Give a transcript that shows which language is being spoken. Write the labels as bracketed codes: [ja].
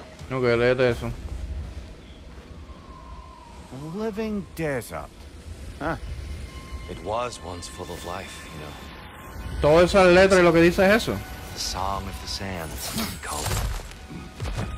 [es] Okay, léete eso. [en] Living desert. It was once full of life, you know. [es] Todo esa letra y lo que dice es eso. [en] The song of the sands, we call it.